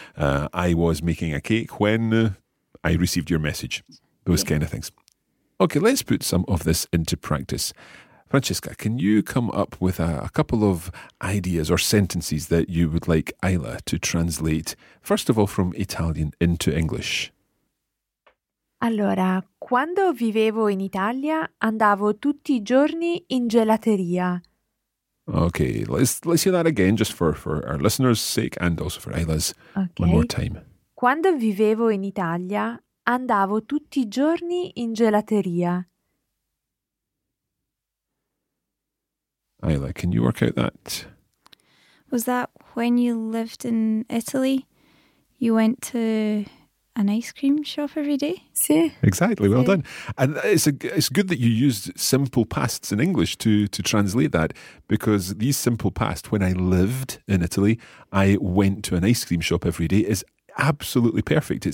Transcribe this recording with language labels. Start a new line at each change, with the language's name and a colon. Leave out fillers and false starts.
English: I was making a cake when I received your message. Those kind of things. Okay, let's put some of this into practice. Francesca, can you come up with a couple of ideas or sentences that you would like Ayla to translate, first of all, from Italian into English?
Italian: Allora, quando vivevo in Italia, andavo tutti I giorni in gelateria.
English: Okay, let's hear that again, just for our listeners' sake and also for Ayla's. Okay. One more time.
Italian: Quando vivevo in Italia, andavo tutti I giorni in gelateria.
English: Ayla, can you work out that? Was that when you lived in Italy, you went to an ice cream shop every day?
Italian: Sí.
English: Exactly, well done. And it's good that you used simple pasts in English to translate that, because these simple past, when I lived in Italy, I went to an ice cream shop every day, is absolutely perfect.